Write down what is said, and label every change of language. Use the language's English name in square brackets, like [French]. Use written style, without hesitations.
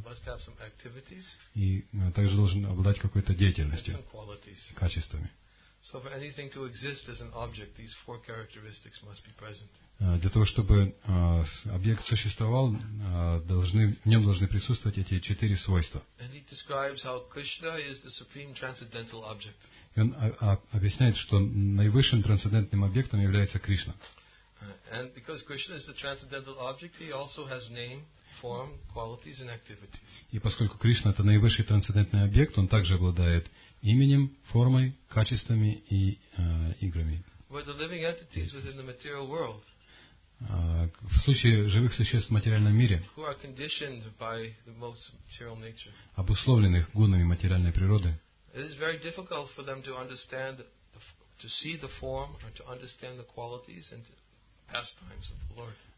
[English] Must have some activities. [Russian] И также должен обладать какой-то деятельностью, [English] some qualities. [Russian] Качествами. [English] So for anything to exist as an object, these four characteristics must be present. [Russian] Для того, чтобы объект существовал, в нем должны присутствовать эти четыре свойства. [English] And he describes how Krishna is the supreme transcendental object. [Russian] И он объясняет, что наивысшим трансцендентным объектом является Кришна. [English] And because Krishna is the transcendental object, he also has name, form, qualities and activities. [Russian] И поскольку Кришна это наивысший трансцендентный объект, он также обладает именем, формой, качествами и играми. [English] But the living entities within the material world, [Russian] в случае живых существ в материальном мире, [English] who are conditioned by the most material nature, [Russian] обусловленных гунами материальной природы, [English] it is very difficult for them to understand, to see the form, or to understand the qualities and pastimes of the Lord.